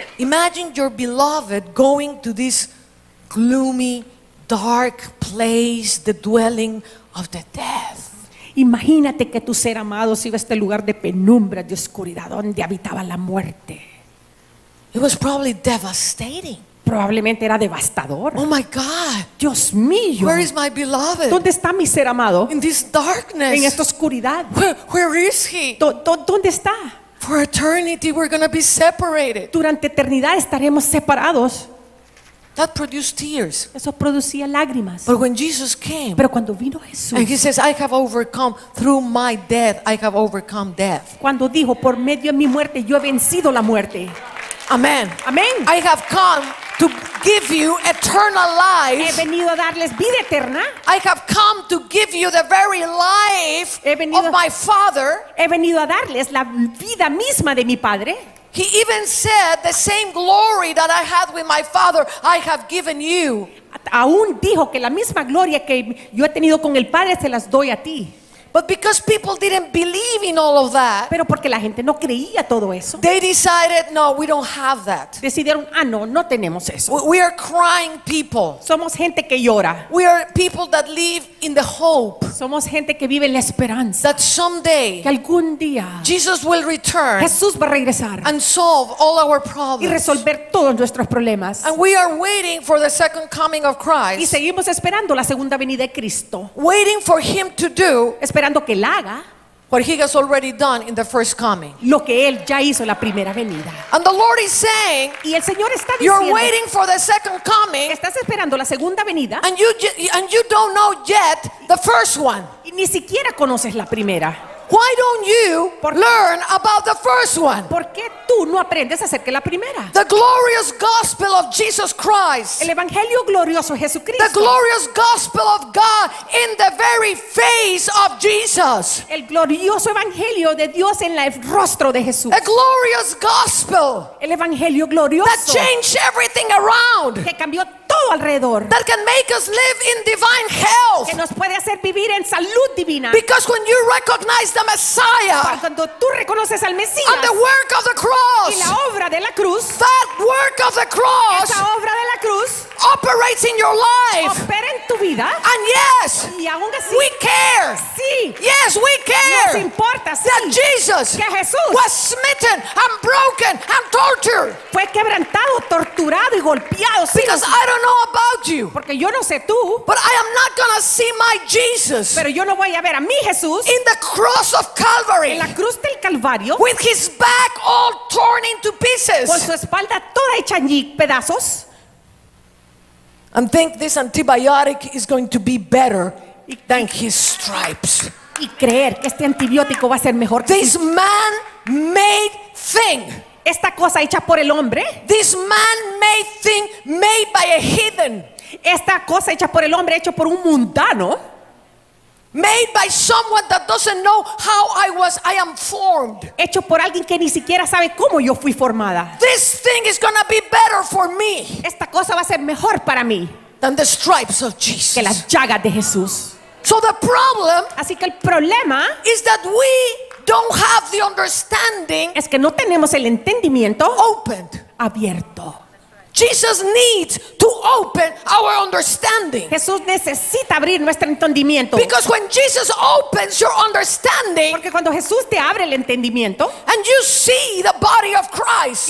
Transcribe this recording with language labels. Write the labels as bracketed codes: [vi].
[en] Imagine your beloved going to this gloomy, dark place, the dwelling of the dead. [es] Imagínate que tu ser amado se iba a este lugar de penumbra, de oscuridad, donde habitaba la muerte. [en] It was probably devastating. [es] Probablemente era devastador. [en] Oh my God. [es] Dios mío. [en] Where is my beloved? [es] ¿Dónde está mi ser amado? [en] In this darkness. [es] En esta oscuridad. [en] Where is he? [es] ¿Dónde está? [en] For eternity we're going to be separated. [es] Durante eternidad estaremos separados. [en] That produced tears. [es] Eso producía lágrimas. [en] But when Jesus came. [es] Pero cuando vino Jesús. [en] And he says, I have overcome through my death. I have overcome death. [es] Cuando dijo, por medio de mi muerte yo he vencido la muerte. [en] Amen. [es] Amen. [en] I have come to give you eternal life. [es] He venido a darles vida eterna. [en] I have come to give you the very life of my Father. [es] He venido a darles la vida misma de mi Padre. [en] He even said, the same glory that I had with my Father, I have given you. [es] Aún dijo que la misma gloria que yo he tenido con el Padre se las doy a ti. [en] But because people didn't believe in all of that. [es] Pero porque la gente no creía todo eso. [en] They decided, no, we don't have that. [es] Decidieron, ah, no, no tenemos eso. [en] We are crying people. [es] Somos gente que llora. [en] We are people that live in the hope. [es] Somos gente que vive en la esperanza. [en] That someday. [es] Que algún día. [en] Jesus will return. [es] Jesús va a regresar. [en] And solve all our problems. [es] Y resolver todos nuestros problemas. [en] And we are waiting for the second coming of Christ. [es] Y seguimos esperando la segunda venida de Cristo. [en] Waiting for him to do. [es] Esperando que él haga [en] what he has already done in the first coming. [es] Lo que él ya hizo en la primera venida. [en] And the Lord is saying, [es] y el Señor está diciendo, [en] you're waiting for the second coming. [es] Estás esperando la segunda venida. [en] And you don't know yet the first one. [es] Y ni siquiera conoces la primera. [en] Why do don't you learn about the first one? [es] ¿Por qué tú no aprendes acerca de la primera? [en] The glorious gospel of Jesus Christ. [es] El evangelio glorioso de Jesucristo. [en] The glorious gospel of God in the very face of Jesus. [es] El glorioso evangelio de Dios en el rostro de Jesús. [en] A glorious gospel. [es] El evangelio glorioso. [en] That changed everything around. [es] Que cambió todo alrededor. [en] That can make us live in divine health. [es] Que nos puede hacer vivir en salud divina. [en] Because when you recognize the Messiah. [es] Cuando tú reconoces al Mesías. [en] And the work of the cross. [es] Y la obra de la cruz. [en] That work of the cross. [es] Esa obra de la cruz. [en] Operates in your life. [es] Opera en tu vida. [en] And yes. [es] Y aún así. [en] We care. [es] Sí. [en] Yes, we care. [es] Nos importa. Sí. [en] That Jesus. [es] Que Jesús. [en] Was smitten and broken and tortured. [es] Fue quebrantado, torturado y golpeado. Sí. [en] Because I don't know about you. [es] Porque yo no sé tú. [en] But I am not gonna see my Jesus. [es] Pero yo no voy a ver a mi Jesús. [en] In the cross of Calvary. [es] En la cruz del Calvario. [en] With his back all torn into pieces. [es] Con su espalda toda hecha en pedazos. [en] And think this antibiotic is going to be better than his stripes. [es] Y creer que este antibiótico va a ser mejor. [en] This man made thing. [es] Esta cosa hecha por el hombre. [en] This man made thing made by a heathen. [es] Esta cosa hecha por el hombre, hecho por un mundano. [en] Made by someone that doesn't know how I am formed. [es] Hecho por alguien que ni siquiera sabe cómo yo fui formada. [en] This thing is gonna be better for me. [es] Esta cosa va a ser mejor para mí. [en] Than the stripes of Jesus. [es] Que las llagas de Jesús. [en] So the problem. [es] Así que el problema. [en] Is that we don't have the understanding. [es] Es que no tenemos el entendimiento. [en] Opened. [es] Abierto. [en] Jesus needs to open our understanding. [es] Jesús necesita abrir nuestro entendimiento. [en] Because when Jesus opens your understanding, [es] porque cuando Jesús te abre el entendimiento, [en] and you see the body of Christ,